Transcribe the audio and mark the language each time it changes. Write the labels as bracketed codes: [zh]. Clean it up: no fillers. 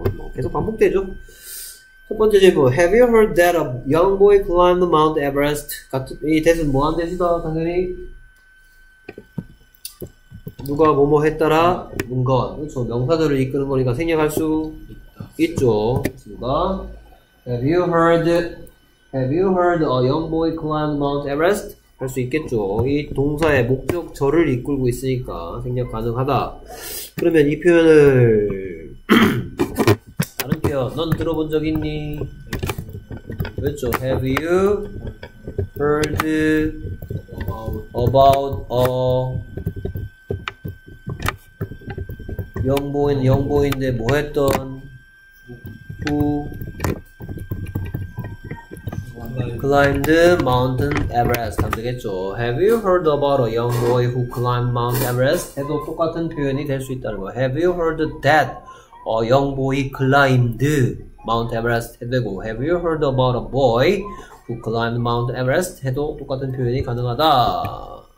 [ko] 뭐 계속 반복되죠. 첫 번째 질문, [en] Have you heard that a young boy climbed Mount Everest? [ko] 이 대세는 뭐한 대세다 당연히 누가 뭐뭐 했더라 문 것, 그렇죠. 명사들을 이끄는 거니까 생략할 수 있죠. 그렇습니다. [en] Have you heard a young boy climbed Mount Everest? [ko] 할 수 있겠죠. 이 동사의 목적절을 이끌고 있으니까 생략 가능하다. 그러면 이 표현을 다른 표현, 넌 들어본 적 있니? 그렇죠. [en] Have you heard about a young boy? [ko] 영보인데 뭐 했던 [en] who climbed Mount Everest [ko] 하면 되겠죠. [en] Have you heard about a young boy who climbed Mount Everest? [ko] 해도 똑같은 표현이 될 수 있다는 거. [en] Have you heard that a young boy climbed Mount Everest? [ko] 해도 되고. [en] Have you heard about a boy who climbed Mount Everest? [ko] 해도 똑같은 표현이 가능하다.